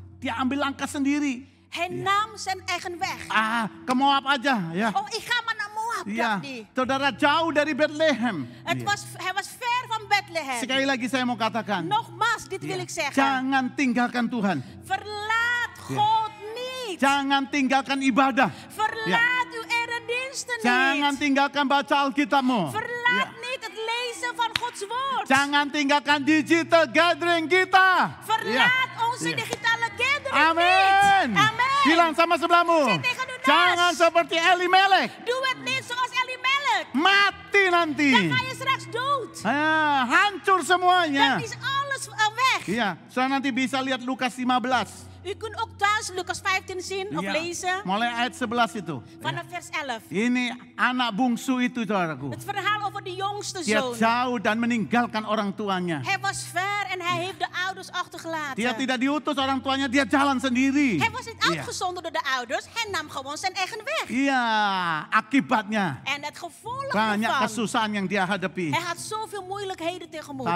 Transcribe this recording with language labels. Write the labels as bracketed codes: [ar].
[id] Dia ambil langkah sendiri. [nl] Hij nam zijn eigen weg. [id] Ah, ke Moab aja. Ya. [nl] Oh, ik ga maar naar Moab. Ya. [id] Saudara jauh dari Bethlehem. [nl] Het was, hij was ver van Bethlehem. [id] Sekali lagi saya mau katakan. [nl] Nogmaals, dit wil ik zeggen. [id] Jangan tinggalkan Tuhan. [nl] Verlaat God niet. [id] Jangan tinggalkan ibadah. [nl] Verlaat uw erediensten niet. [id] Jangan tinggalkan baca Alkitabmu. [nl] Verlaat niet het lezen van Gods woord. [id] Jangan tinggalkan digital gathering kita. [nl] Verlaat onze digitale gathering niet. [id] Amen. [nl] Amen. [id] Bilang sama sebelahmu. Jangan seperti Elimelek. [en] Do it not so as Elimelek. [id] Mati nanti. [nl] Dan ga je straks dood. [id] Hancur semuanya. [nl] Dan is alles weg. [id] Ya, saya nanti bisa lihat Lukas 15. [nl] U kunt ook thuis Lukas 15 zien of lezen. [id] Mulai ayat 11 itu. [nl] Vanaf vers 11. [id] Ini anak bungsu itu, saudaraku. [nl] Het verhaal over de jongste zoon. [id] Dia jauh dan meninggalkan orang tuanya. [nl] Hij was ver en hij heeft de ouders achtergelaten. [id] Dia tidak diutus orang tuanya, dia jalan sendiri. [nl] Hij was niet uitgezonden door de ouders, hij nam gewoon zijn eigen weg. [id] Iya, akibatnya. [nl] En het gevolg ervan. [id] Banyak kesusahan yang dia hadapi. [nl] Hij had zoveel moeilijkheden tegemoet.